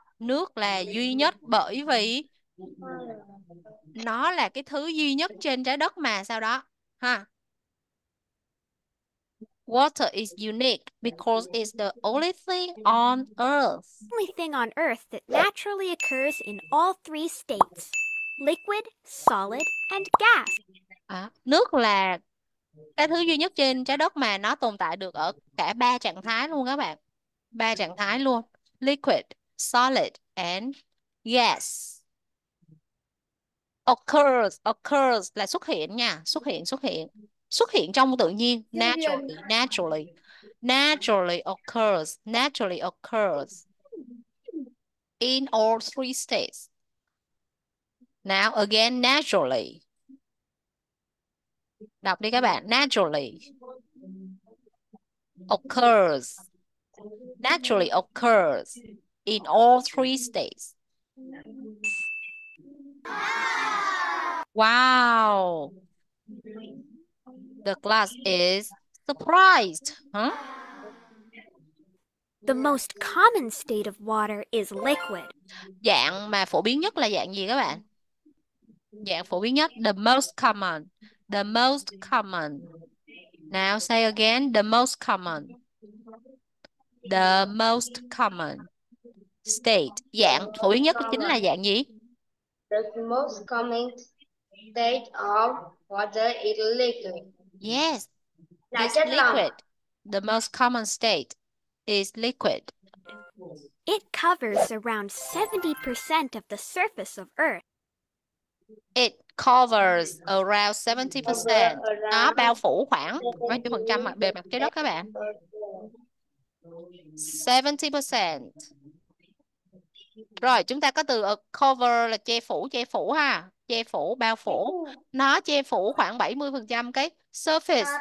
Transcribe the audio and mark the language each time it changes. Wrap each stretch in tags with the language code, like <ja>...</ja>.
<vi>Nước là duy nhất bởi vì nó là cái thứ duy nhất trên trái đất mà sao đó. Ha.</vi> <en>Water is unique because it's the only thing on earth. Only thing on earth that naturally occurs in all three states: liquid, solid, and gas.</en> <vi>Nước là cái thứ duy nhất trên trái đất mà nó tồn tại được ở cả ba trạng thái luôn các bạn. Ba trạng thái luôn.</vi> <en>Liquid, solid, and gas.</en> <vi>Occurs là xuất hiện nha. Xuất hiện, xuất hiện. Xuất hiện trong tự nhiên.</vi> <en>Naturally, naturally. Naturally occurs. In all three states. Now again, naturally.</en> <vi>Đọc đi các bạn. Naturally.</vi> <en>Occurs. Naturally occurs in all three states. Wow. The class is surprised, huh? The most common state of water is liquid.</en> <vi>Dạng mà phổ biến nhất là dạng gì các bạn? Dạng phổ biến nhất,</vi> <en>the most common. The most common. Now say again, the most common. The most common state.</en> <vi>Dạng phổ biến nhất chính là dạng gì?</vi> <en>The most common state of water is liquid. Yes,</en> <vi>là</vi> <en>it's</en> <vi>chất</vi> <en>liquid. The most common state is liquid. It covers around 70% of the surface of Earth. It covers around 70%.</en> <vi>Nó bao phủ khoảng bao nhiêu phần trăm mặt bề mặt trái đất các bạn? 70%. Rồi, chúng ta có từ cover là che phủ ha. Che phủ, bao phủ. Nó che phủ khoảng 70% cái surface.</vi>